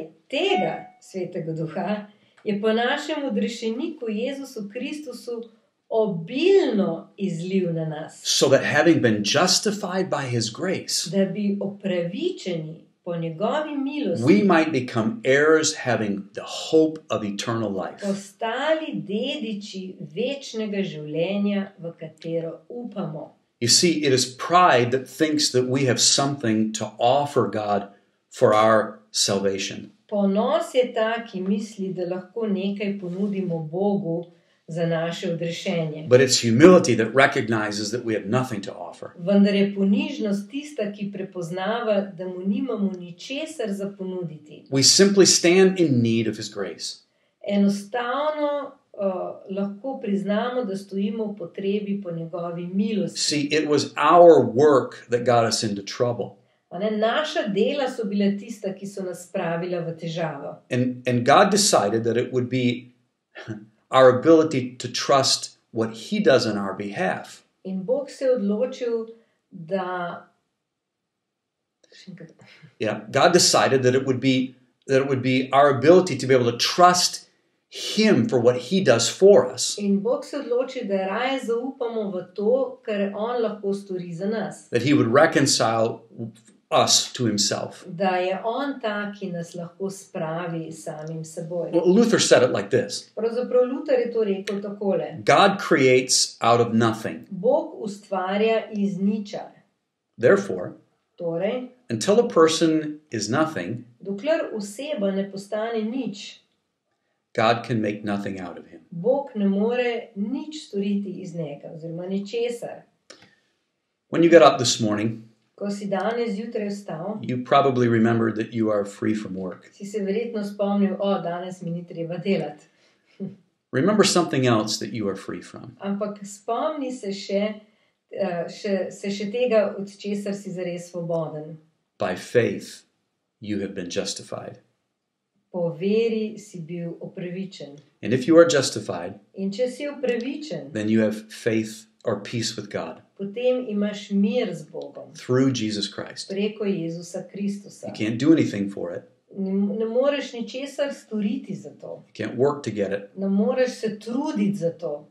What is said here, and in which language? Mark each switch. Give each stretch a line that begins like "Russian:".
Slovenian: Tega svetega duha je po našem odrešeniku Jezusu Kristusu obilno izlil na nas.
English: So that having been justified by his grace,
Slovenian: da bi opravičeni po njegovi milosti,
English: we might become heirs having the hope of eternal life.
Slovenian: Postali dediči večnega življenja, v katero upamo.
English: You see, it is pride that thinks that we have something to offer God for our salvation.
Slovenian: Ponos je ta, ki misli, da lahko nekaj ponudimo Bogu za naše odrešenje.
English: But it's humility that recognizes that we have nothing to offer.
Slovenian: Vendar je ponižnost tista, ki prepoznava, da mu nimamo ničesar za ponuditi.
English: We simply stand in need of his grace.
Slovenian: Enostavno lahko priznamo, da stojimo v potrebi po njegovi milosti.
English: See, it was our work that got us into trouble.
Slovenian: Naša dela so bila tista, ki so nas spravila v težavo.
English: And God decided that it would be our ability to trust what he does on our behalf.
Slovenian: In Bog se odločil, da...
English: Yeah, God decided that it would be our ability to be able to trust him for what he does for us.
Slovenian: In Bog se odločil, da raje zaupamo v to, kar on lahko stori za nas.
English: That he would reconcile us to himself.
Slovenian: Da je on ta, ki nas lahko spravi samim seboj.
English: Luther said it like this.
Slovenian: Pravzaprav Luther je to rekel takole.
English: God creates out of nothing.
Slovenian: Bog ustvarja iz ničar.
English: Therefore,
Slovenian: torej,
English: until a person is nothing,
Slovenian: dokler oseba ne postane nič,
English: God can make nothing out of him.
Slovenian: Bog ne more nič storiti iz njega, oziroma ničesar.
English: When you get up this morning,
Slovenian: ko si danes jutraj vstal,
English: you probably remember that you are free from work.
Slovenian: Si se verjetno spomnil, o, danes mi ni treba delati.
English: Remember something else that you are free from.
Slovenian: Ampak spomni se še tega, od česar si zares svoboden.
English: By faith, you have been justified.
Slovenian: Po veri si bil opravičen.
English: And if you are justified,
Slovenian: in če si opravičen,
English: then you have faith or peace with God.
Slovenian: Potem imaš mir z Bogom.
English: Through Jesus Christ.
Slovenian: Preko Jezusa Kristusa.
English: You can't do anything for it.
Slovenian: Ne moreš ničesar storiti za to.
English: You can't work to get it.
Slovenian: Ne moreš se truditi za to.